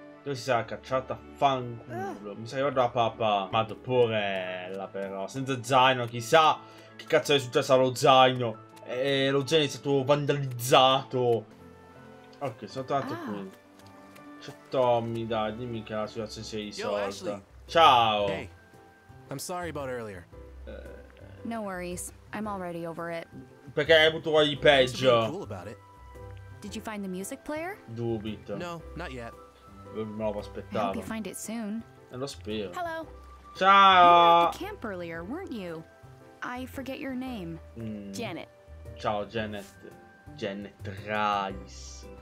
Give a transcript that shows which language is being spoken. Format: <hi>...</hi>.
<it>Dove si sarà cacciata? Fanculo. Mi sa che vado da papà. Madò, porella, però. Senza zaino, chissà che cazzo è successo allo zaino. E lo zaino è stato vandalizzato. Ok, sono tornato qui. C'è Tommy, dai, dimmi che la situazione si è risolta. Ciao!</it> <en>Hey, I'm sorry about earlier. No worries, I'm already over it.</en> <it>Perché hai avuto qualcosa di peggio?</it> <en>Did you find the music player?</en> <it>Dubito.</it> <en>No, not yet.</en> <it>Non lo aspettavo.</it> <en>You find it soon.</en> <it>E lo spero.</it> <en>Hello.</en> <it>Ciao.</it> <en>You were at the camp earlier, weren't you? I forget your name. Janet.</en> <it>Ciao Janet. Janet Rice.</it>